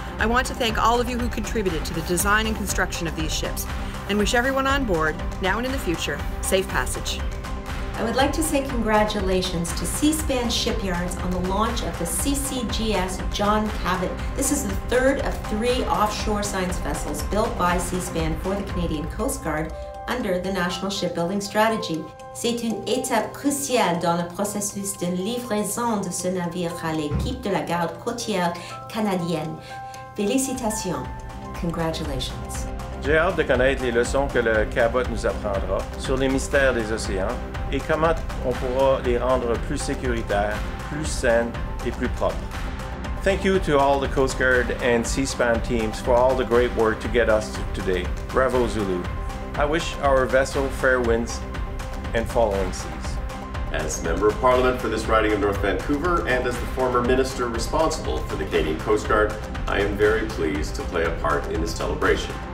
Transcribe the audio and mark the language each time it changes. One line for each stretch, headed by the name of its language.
English: I want to thank all of you who contributed to the design and construction of these ships, and wish everyone on board, now and in the future, safe passage. I would like to say congratulations to Seaspan Shipyards on the launch of the CCGS John Cabot. This is the third of three offshore science vessels built by Seaspan for the Canadian Coast Guard under the National Shipbuilding Strategy.
French: C'est une étape cruciale dans le processus de livraison de ce navire à l'équipe de la garde côtière canadienne. Félicitations.
English: Congratulations.
French: J'ai hâte de connaître les leçons que le Cabot nous apprendra sur les mystères des océans et comment on pourra les rendre plus sécuritaires, plus saines et plus propres.
English: Thank you to all the Coast Guard and Seaspan teams for all the great work to get us to today. Bravo Zulu. I wish our vessel fair winds and following seas. As Member of Parliament for this riding of North Vancouver and as the former minister responsible for the Canadian Coast Guard, I am very pleased to play a part in this celebration.